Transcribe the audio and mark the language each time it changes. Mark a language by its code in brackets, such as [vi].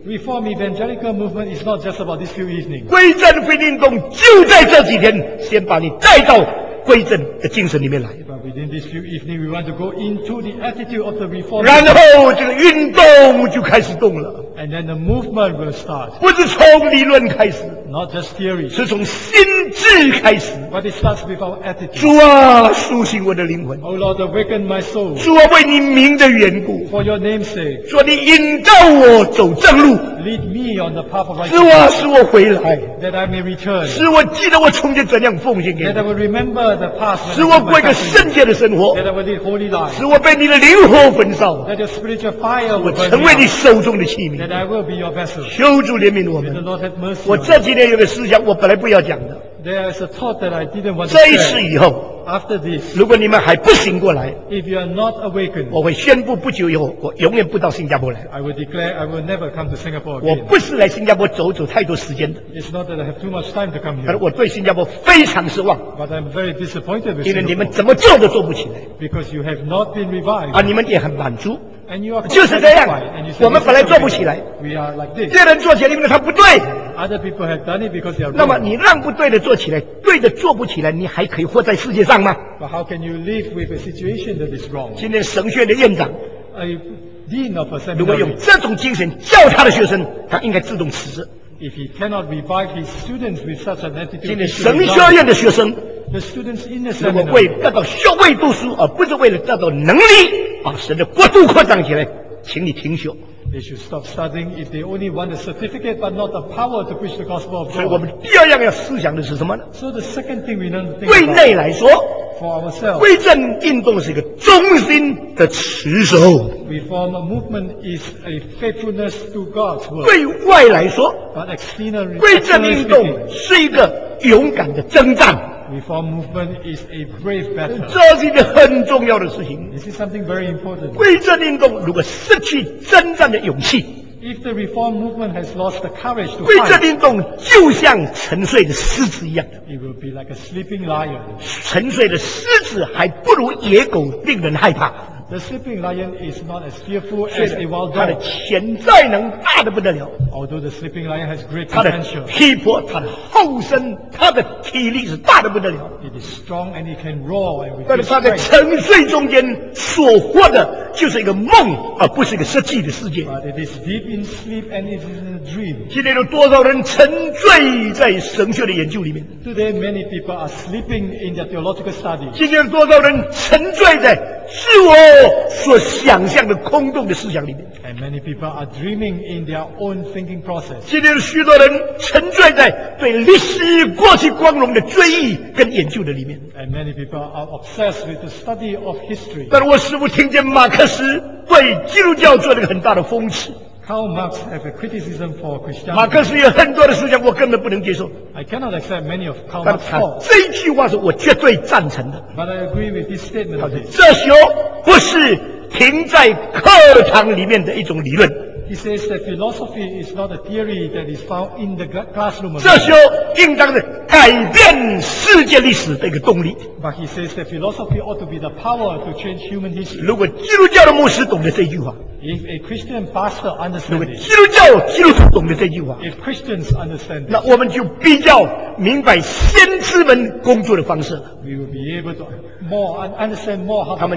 [en] Reform evangelical movement is not just about this few evenings. [zh] 归正归运动就在这几天，先把你带到归正的精神里面来。 [en] But within this few evening, we want to go into the attitude of the reform. [zh] 然后这个运动就开始动了。 [en] And then the movement will start. [zh] 不是从理论开始 [en] ，not just theory. [zh] 是从心智开始。 [en] But it starts with our attitude. [zh] 主啊，苏醒我的灵魂。 [en] Oh Lord, awaken my soul. [zh] 主啊，为你名的缘故。 [en] For your name's sake. [zh] 主啊，你引导我走正路。 [en] Lead me on the path of right. [zh] 主啊，使我回来。 [en] That I may return. [zh] 使我记得我从前怎样奉献给你。 [en] That I will remember the past. [zh] 使我过一个圣洁的生活。 [en] That I will lead holy life. [zh] 使我被你的灵火焚烧。 [en] That your spiritual fire will burn. [zh] 我成为你手中的器皿。 [en] That I will be your vessel. [zh] 求主怜悯我们。 [en] May the Lord have mercy. [zh] 我这几天有个思想，我本来不要讲的。 [en] There is a thought that I didn't want to say. [zh] 这一次以后 [en] ，After this， [zh] 如果你们还不醒过来 [en] ，If you are not awakened， [zh] 我会宣布不久以后，我永远不到新加坡来。 [en] I will declare I will never come to Singapore again. [zh] 我不是来新加坡走走太多时间的。 [en] It's not that I have too much time to come here. [zh] 但我对新加坡非常失望。 [en] But I'm very disappointed with you. [zh] 因为你们怎么做都做不起来。 [en] Because you have not been revived. [zh] 啊，你们也很满足。 [en] And you are [zh] 就是这样，我们本来做不起来。 [en] We are like this. [zh] 别人做起来，因为他不对。 [en] Other people have done it because they are. [zh] 那么你让不对的做起来，对的做不起来，你还可以活在世界上吗 [en] ？But how can you live with a situation that is wrong？ [zh] 今天神学的院长 [en] ，A dean of a seminary， [zh] 如果用这种精神教他的学生，他应该自动辞职。 [en] If he cannot revive his students with such an attitude， [zh] 今天神学院的学生 [en] ，The students in the seminary， [zh] 如果为得到学位读书，而不是为了得到能力，把神的国度扩张起来，请你停学。 [en] They should stop studying if they only want a certificate but not the power to preach the gospel of God. [zh] 所以我们第二样要思想的是什么呢 [en] ？So the second thing we need to think. [zh] 对内来说 [en] ，for ourselves， [zh] 归正运动是一个忠心的持守。 [en] Reform movement is a faithfulness to God's word. [zh] 对外来说 [en] ，but externally， [zh] 归正运动是一个勇敢的征战。 [en] Reform movement is a brave battle. [zh] 这是一个很重要的事情。 [en] This is something very important. [zh] 归正运动如果失去征战的勇气 [en] ，If the reform movement has lost the courage to fight, [zh] 归正运动就像沉睡的狮子一样 [en] ，It will be like a sleeping lion. [zh] 沉睡的狮子还不如野狗令人害怕。 [en] The sleeping lion is not as fearful as a wild dog. [zh] 它的潜在能大得不得了。 [en] Although the sleeping lion has great potential, [zh] 它的体魄、它的后身、它的体力是大得不得了。 [en] It is strong and it can roar. [zh] 但是它在沉睡中间所获的就是一个梦，而不是一个实际的世界。 [en] But it is deep in sleep and it is a dream. [zh] 今天有多少人沉醉在神学的研究里面 [en] ？Today many people are sleeping in their theological study. [zh] 今天有多少人沉醉在自我所想象的空洞的思想里面 [en] ？And many people are dreaming in their own thinking process. [zh] 今天有许多人沉醉在对历史过去光荣的追忆跟研究的里面 [en] ？And many people are obsessed with the study of history. [zh] 但我似乎听见马克思对基督教做了一个很大的讽刺。 [en] Karl Marx have a criticism for Christianity. [zh] 马克思有很多的思想我根本不能接受。 [en] I cannot accept many of Karl Marx's thoughts. [zh] 这一句话是我绝对赞成的。 [en] But I agree with this statement. [zh] 这些不是停在课堂里面的一种理论。 [en] He says that philosophy is not a theory that is found in the classroom. [zh] 这些应当是改变世界历史的一个动力。 [en] But he says that philosophy ought to be the power to change human history. [zh] 如果基督教的牧师懂得这句话。 [en] If a Christian pastor understands [zh] 基督教基督徒懂得这句话, [en] if Christians understand this, [zh] 那我们就比较明白先知们工作的方式, [en] we will be able to understand more how the